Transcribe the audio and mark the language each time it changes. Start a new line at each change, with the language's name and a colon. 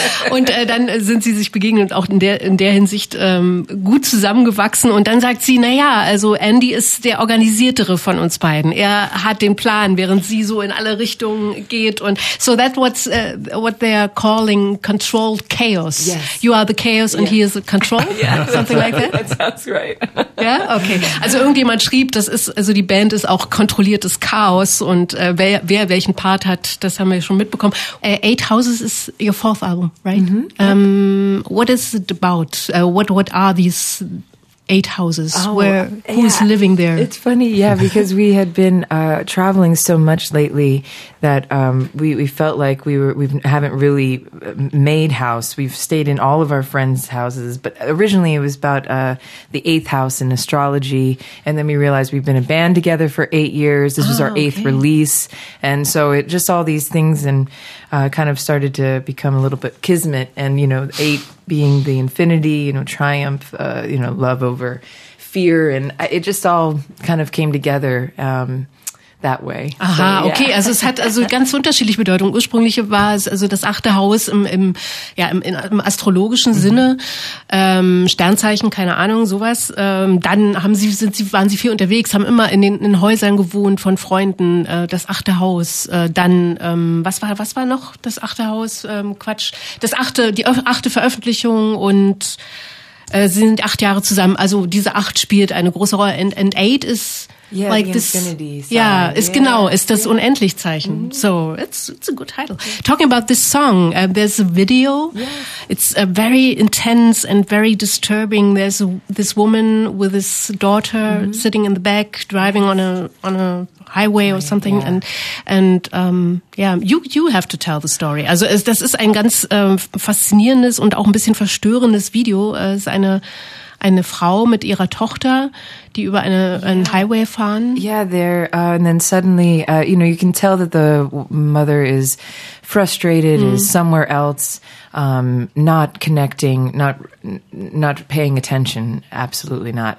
German: Und dann sind sie sich begegnet, auch in der Hinsicht gut zusammengewachsen. Und dann sagt sie, naja, also Andy ist der Organisiertere von uns beiden. Er hat den Plan, während sie so in alle Richtungen geht.
English: Und so that's what they are calling controlled chaos. Yes. You are the chaos and he is the control? Yeah. Something like that? That sounds right. Yeah? Okay.
German: Also irgendjemand schrieb, das ist, also die Band ist auch kontrolliertes Chaos. Und wer welchen Part hat, das haben wir schon mitbekommen.
English: Eight Houses is your fourth album, right? Mm-hmm. What is it about? What are these 8 houses? Who's living there? It's funny, because we had been traveling so much lately that we felt like we haven't really made house. We've stayed in all of our friends' houses, but originally it was about the 8th house in astrology, and then we realized we've been a band together for 8 years. This was our 8th release, and so it just all these things and kind of started to become a little bit kismet, and you know, 8 being the infinity, you know, triumph, you know, love over fear, and it just all kind of came together that way.
German: Aha, so, okay, also es hat also ganz unterschiedliche Bedeutung. Ursprünglich war es also das 8. Haus im astrologischen Sinne, Sternzeichen, keine Ahnung, sowas. Dann waren sie viel unterwegs, haben immer in Häusern gewohnt von Freunden, das 8. Haus. Dann was war noch das 8. Haus? Das 8., die 8. Veröffentlichung, und sie sind 8 Jahre zusammen. Also diese 8 spielt eine große Rolle. And 8 ist...
English: Yeah, like the this, infinity. Song. Yeah,
German: is genau, is das Unendlichzeichen.
English: Mm-hmm. So it's a good title. Yeah. Talking about this song, there's a video. Yeah. It's a very intense and very disturbing. There's this woman with this daughter sitting in the back, driving on a highway or something. Yeah. And you have to tell the story.
German: Also das ist ein ganz faszinierendes und auch ein bisschen verstörendes Video. Es ist eine Frau mit ihrer Tochter, die über einen Highway fahren.
English: Yeah, there, and then suddenly, you know, you can tell that the mother is frustrated, is somewhere else, not connecting, not paying attention, absolutely not.